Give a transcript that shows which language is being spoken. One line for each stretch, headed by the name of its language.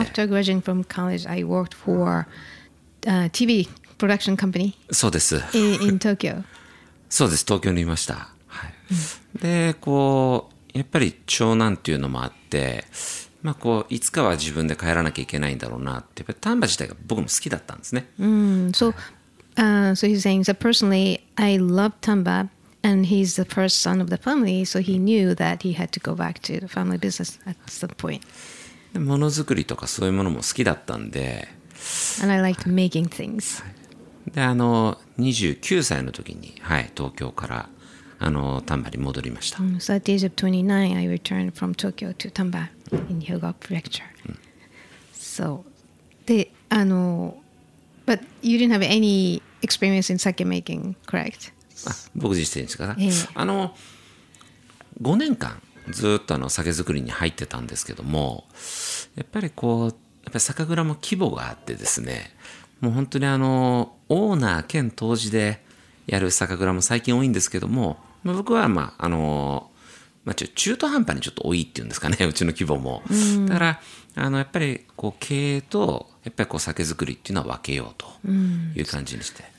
English: After graduating from college, I worked for a TV production company.
Japanese: そうです。
English: In Tokyo.
Japanese: そうです。東京にいました。はい。で、こうやっぱり長男っていうのもあって、まあこういつかは自分で帰らなきゃいけないんだろうなって、やっぱり丹波自体が僕も好きだったんですね。
English: So he's saying that personally, I love Tamba, and he's the first son of the family, so he knew that he had to go back to the family business at some point.
Japanese: で、ものづくりとかそういうものも好きだったんで。
English: And I liked making things.
Japanese: で、29歳の時に、はい、東京から、丹波に戻りました。
English: So at the age of 29, I returned from Tokyo to Tamba in Hyogo Prefecture. So, で、But you didn't have any experience in sake making, correct?
Japanese: 僕自身ですから、5年間ずっと酒造りに入ってたんですけども、やっぱりこうやっぱ酒蔵も規模があってですね、もう本当にオーナー兼当時でやる酒蔵も最近多いんですけども、まあ、僕はまあ中途半端にちょっと多いっていうんですかね、うちの規模も、だからやっぱりこう経営とやっぱりこう酒造りっていうのは分けようという感じにして。